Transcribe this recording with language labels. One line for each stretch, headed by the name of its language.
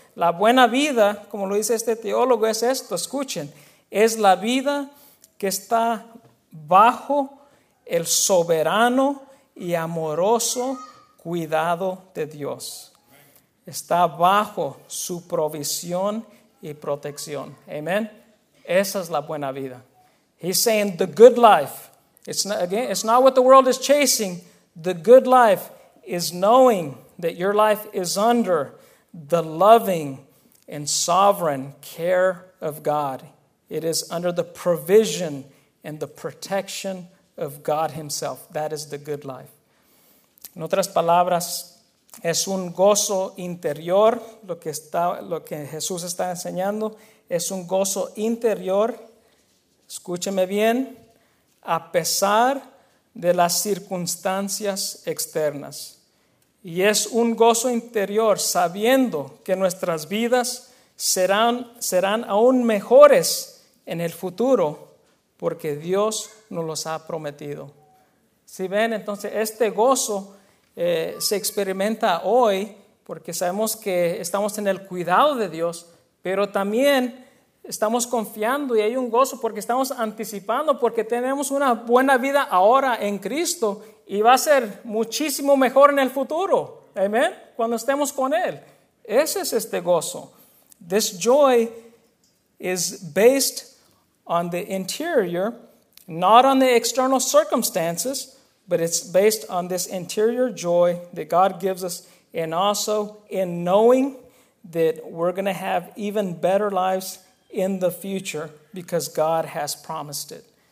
Spanish: La buena vida, como lo dice este teólogo, es esto. Escuchen, es la vida que está bajo el soberano y amoroso cuidado de Dios. Está bajo su provisión y protección. Amén. Esa es la buena vida.
English: He's saying the good life. It's not what the world is chasing. The good life is knowing that your life is under the loving and sovereign care of God. It is under the provision and the protection of God Himself. That is the good life.
Spanish: En otras palabras, es un gozo interior, lo que Jesús está enseñando. Es un gozo interior, escúcheme bien, a pesar de las circunstancias externas. Y es un gozo interior sabiendo que nuestras vidas serán aún mejores en el futuro porque Dios nos los ha prometido. Si ven, entonces este gozo se experimenta hoy porque sabemos que estamos en el cuidado de Dios, pero también estamos confiando y hay un gozo porque estamos anticipando, porque tenemos una buena vida ahora en Cristo y va a ser muchísimo mejor en el futuro. Amén. Cuando estemos con Él. Ese es este gozo.
English: This joy is based on the interior, not on the external circumstances, but it's based on this interior joy that God gives us, and also in knowing that we're going to have even better lives in the future because God has promised it.